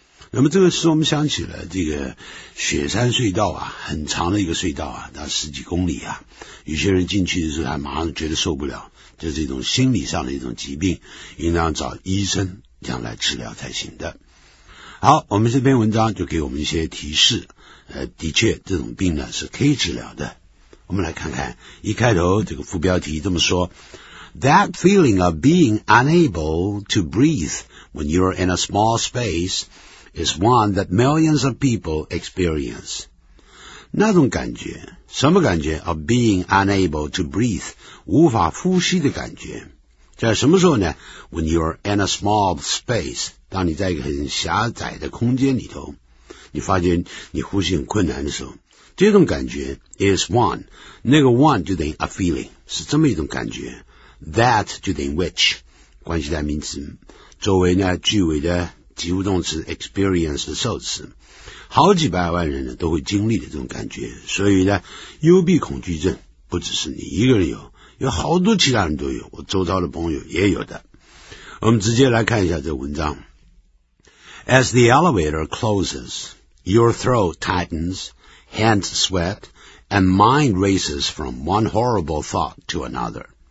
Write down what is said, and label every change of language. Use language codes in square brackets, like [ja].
[zh] 那么这个时候我们想起了这个雪山隧道啊，很长的一个隧道啊，那十几公里啊，有些人进去的时候还马上觉得受不了，这是一种心理上的一种疾病，应当找医生这样来治疗才行的。好，我们这篇文章就给我们一些提示，的确这种病呢是可以治疗的。我们来看看一开头这个副标题这么说， [en] That feeling of being unable to breathe when you're in a small space is one that millions of people experience. [zh] 那种感觉，什么感觉？ [en] Of being unable to breathe， [zh] 无法呼吸的感觉，在什么时候呢？ [en] When you're in a small space， [zh] 当你在一个很狭窄的空间里头，你发现你呼吸很困难的时候，这种感觉 [en] is one， [zh] 那个 one 就等于 a feeling， 是这么一种感觉。 That 就等于 which， 关系代名词，作为呢句尾的及物动词 experience 的受词，好几百万人呢都会经历的这种感觉。所以呢幽闭恐惧症不只是你一个人有，有好多其他人都有，我周遭的朋友也有的。我们直接来看一下这文章。 [en] As the elevator closes, your throat tightens, hands sweat, and mind races from one horrible thought to another.